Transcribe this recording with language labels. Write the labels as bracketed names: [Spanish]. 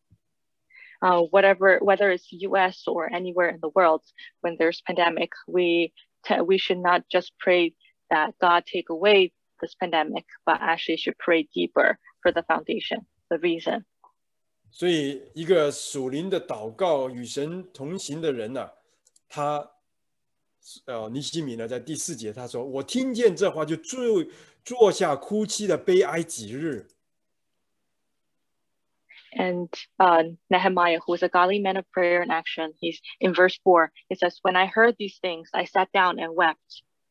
[Chinese] 世界有各地的这种的灾难也好，我们不要只是求神啊，你快点把这个灾难消除就好，而是有更深入的反省。 [English] Whether it's U.S. or anywhere in the world, when there's pandemic, we should not just pray that God take away this pandemic, but actually should pray deeper for the foundation, the reason. [Chinese] 所以，一个属灵的祷告与神同行的人呢。他，尼希米呢，在第四节他说：“我听见这话就坐下哭泣的悲哀几日。” [English] And Nehemiah, who is a godly man of prayer and action, he's in verse 4. It says, "When I heard these things, I sat down and wept."